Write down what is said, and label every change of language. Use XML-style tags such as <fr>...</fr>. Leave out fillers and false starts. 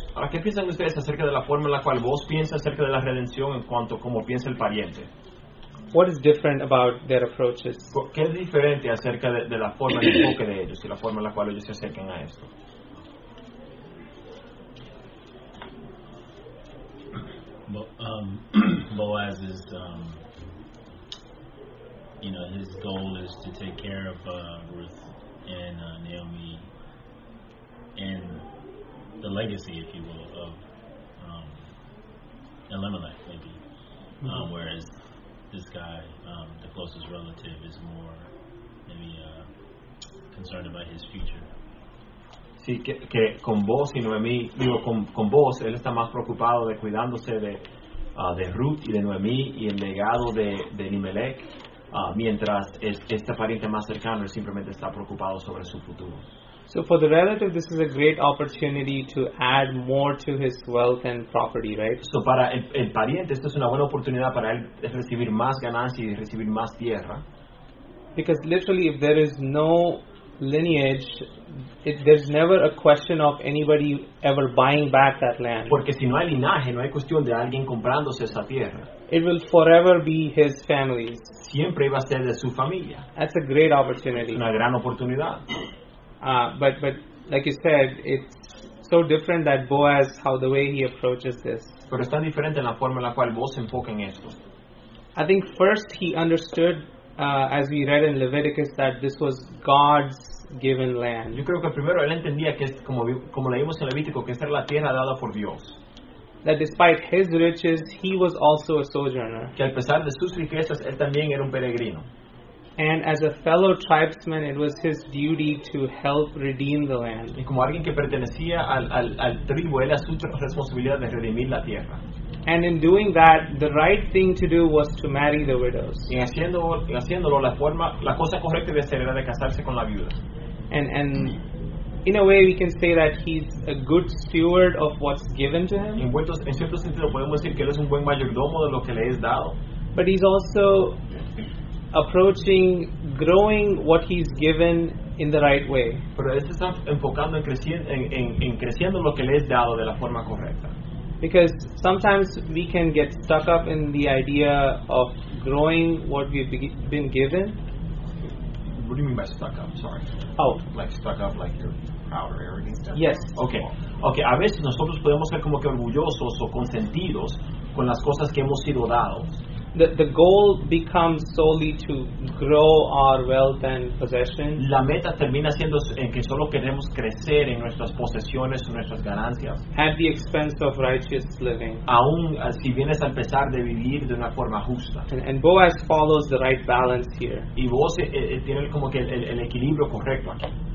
<es>¿A qué piensan ustedes acerca de la forma en la cual vos piensa acerca de la redención en cuanto como piensa el pariente?</es> <en>What is different about their approaches?</en> <es>¿Qué es diferente acerca de la forma de enfoque de ellos y la forma en la cual ellos se acercan a esto?</es> <en>Boaz is, you know, his goal is to take care of Ruth and Naomi and the legacy, if you will, of Elimelech, maybe. Mm-hmm. Whereas this guy, the closest relative, is more maybe concerned about his future.</en> <es>Sí, que con vos y Noemí, digo, con vos, él está más preocupado de cuidándose de Ruth y de Noemí y el legado de Elimelech, mientras este pariente más cercano, él simplemente está preocupado sobre su futuro.</es> <en>So for the relative, this is a great opportunity to add more to his wealth and property, right?</en> <es>So para el pariente, esto es una buena oportunidad para él recibir más ganancias y recibir más tierra.</es> <en>Because literally, if there is no lineage, there's never a question of anybody ever buying back that land.</en> <es>Porque si no hay linaje, no hay cuestión de alguien comprándose esa tierra.</es> <en>It will forever be his family's.</en> <es>Siempre iba a ser de su familia.</es> <en>That's a great opportunity.</en> <es>Una gran oportunidad.</es> <en>But like you said, it's so different that Boaz, how the way he approaches this.</en> <es>Pero es tan diferente en la forma en la cual Boaz se enfoca en esto.</es> <en>I think first he understood, as we read in Leviticus, that this was God's given land.</en> <es>Yo creo que primero él entendía que es como leímos en Levítico, que esta era la tierra dada por Dios.</es> <en>That despite his riches, he was also a sojourner.</en> <es>Que al pesar de sus riquezas, él también era un peregrino.</es> <en>And as a fellow tribesman, it was his duty to help redeem the land.</en> <es>Y como alguien que pertenecía al tribu, era su responsabilidad de redimir la tierra.</es> <en>And in doing that, the right thing to do was to marry the widows.</en> <es>Y haciéndolo, la cosa correcta de hacer era de casarse con la viuda.</es> <en>And in a way, we can say that he's a good steward of what's given to him.</en> <es>En cierto sentido, podemos decir que él es un buen mayordomo de lo que le es dado.</es> <en>But he's also approaching growing what he's given in the right way.</en> <es>Pero él se está enfocando en creciendo lo que le es dado de la forma correcta.</es> <en>Because sometimes we can get stuck up in the idea of growing what we've been given. What do you mean by stuck up? Sorry. Oh. Like stuck up, like you're proud or arrogant? Yes. Okay.</en> <es>A veces nosotros podemos ser como que orgullosos o consentidos con las cosas que hemos sido dados.</es> <en>The goal becomes solely to grow our wealth and possessions.</en> <es>La meta termina siendo en que solo queremos crecer en nuestras posesiones, en nuestras ganancias.</es> <en>At the expense of righteous living.</en> <es>Aún si vienes a empezar de vivir de una forma justa.</es> <en>And Boaz follows the right balance here.</en> <es>Y Boaz tiene como que el equilibrio correcto aquí.</es>